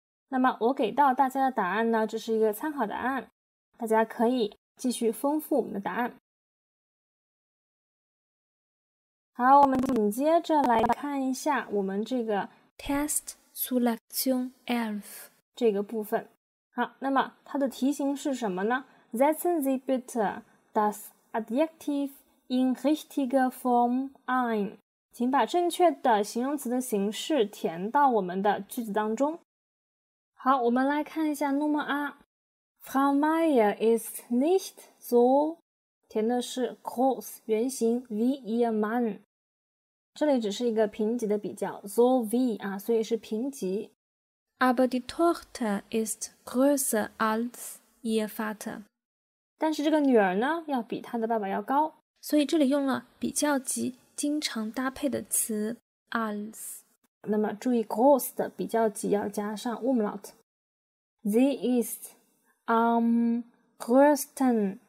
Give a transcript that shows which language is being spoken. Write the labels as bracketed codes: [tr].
[zh] 那么我给到大家的答案呢，只是一个参考答案，大家可以继续丰富我们的答案。好，我们紧接着来看一下我们这个 [de] Test Selection Elf [zh] 这个部分。好，那么它的题型是什么呢？ [de] Setzen Sie bitte das Adjektiv in richtiger Form ein. [zh] 请把正确的形容词的形式填到我们的句子当中。好，我们来看一下 Nummer A. [de] Frau Meier ist nicht so... [zh] 填的是 groß 原型 [de] wie ihr Mann， [zh] 这里只是一个评级的比较 so wie 啊，所以是评级。 [de] Aber die Tochter ist größer als ihr Vater， [zh] 但是这个女儿呢，要比她的爸爸要高，所以这里用了比较级经常搭配的词 als。那么注意 groß 的比较级要加上 umlaut。 [de] Sie ist am größten。